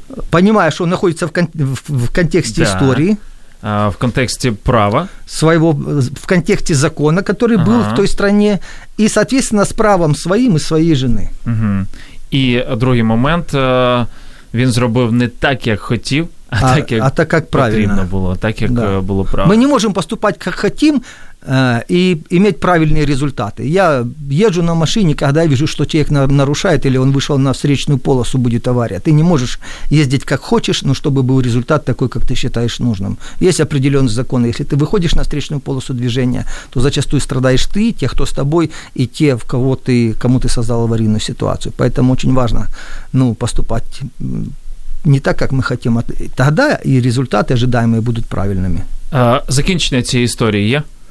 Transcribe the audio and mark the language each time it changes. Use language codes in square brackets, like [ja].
[uk] Понимаю, що знаходиться в контексті, да, історії. В контексті права. Своего, в контексті закону, який, ага, був в той країні. І, соответственно, з правом своїм і своєї жени. Угу. І другий момент. Він зробив не так, як хотів. [ru] А так, как правильно было, так, как, да, было правильно. Мы не можем поступать, как хотим, и иметь правильные результаты. Я езжу на машине, когда я вижу, что человек нарушает, или он вышел на встречную полосу, будет авария. Ты не можешь ездить, как хочешь, но чтобы был результат такой, как ты считаешь нужным. Есть определенный закон. Если ты выходишь на встречную полосу движения, то зачастую страдаешь ты, те, кто с тобой, и те, в кого ты, кому ты создал аварийную ситуацию. Поэтому очень важно, ну, поступать не так, [uk] як ми хочемо. Тоді і результати ожидаємо будуть правильними. Закінчення цієї історії є?